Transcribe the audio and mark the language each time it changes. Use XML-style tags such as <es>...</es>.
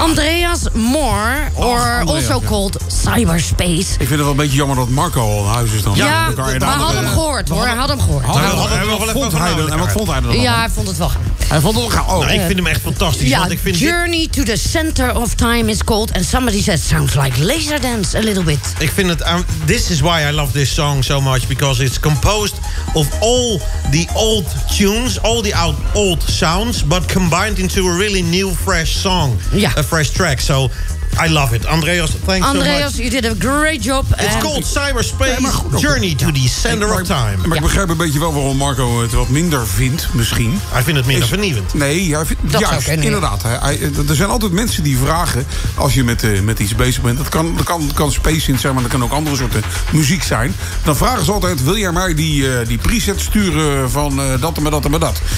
<en>Andreas Moore, also called Cyberspace.</en> <nl>Ik vind het wel een beetje jammer dat Marco al in huis is dan. Ja, we hadden hem gehoord. En wat vond hij er dan? Ja, hij vond het wel. Hij vond het ook gaaf. Ik vind hem echt fantastisch. Ja, want ik vind</nl> <en>Journey to the Center of Time is called. And somebody says, sounds like Laserdance a little bit.</en> <nl>Ik vind het,</nl> <en>this is why I love this song so much. Because it's composed of all the old tunes, all the old sounds. But combined into a really new, fresh song.</en> <nl>Ja.</nl> <en>A fresh track, so... I love it. Andreas, thanks Andreas, so much. You did a great job. It's called Cyberspace Journey to the Center of Time.</en> <nl>Maar ik begrijp een beetje wel waarom Marco het wat minder vindt, misschien. Hij vindt het minder vernieuwend. Nee, hij vindt dat juist, inderdaad. Er zijn altijd mensen die vragen, als je met iets bezig bent... Dat kan Space in zijn, maar dat kan ook andere soorten muziek zijn. Dan vragen ze altijd, wil jij mij die preset sturen van dat en met dat en met dat?</nl>